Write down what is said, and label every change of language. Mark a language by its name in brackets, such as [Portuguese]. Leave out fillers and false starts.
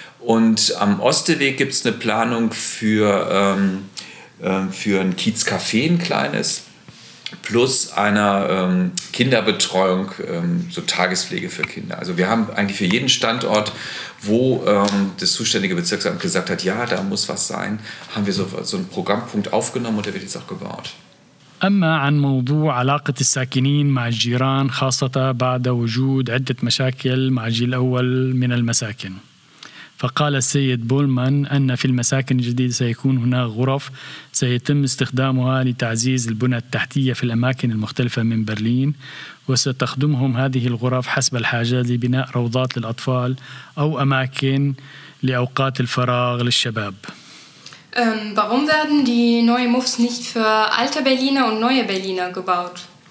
[German] Und am Osteweg gibt es eine Planung für ein Kiezcafé, ein kleines, plus einer Kinderbetreuung, so Tagespflege für Kinder. Also wir haben eigentlich für jeden Standort, wo das zuständige Bezirksamt gesagt hat, ja, da muss was sein, haben wir so einen Programmpunkt aufgenommen und der wird jetzt auch gebaut. [Arabic] أما عن موضوع علاقة الساكنين مع الجيران خاصة بعد وجود عدة مشاكل مع الجيل الأول من المساكن. فقال السيد بولمان أن في المساكن الجديدة سيكون هناك غرف سيتم استخدامها لتعزيز البنى التحتية في الأماكن المختلفة من برلين، وستخدمهم هذه الغرف حسب الحاجة لبناء روضات للأطفال أو أماكن لأوقات الفراغ للشباب. [German] Warum werden die neuen MOVES nicht für alte Berliner und neue Berliner gebaut?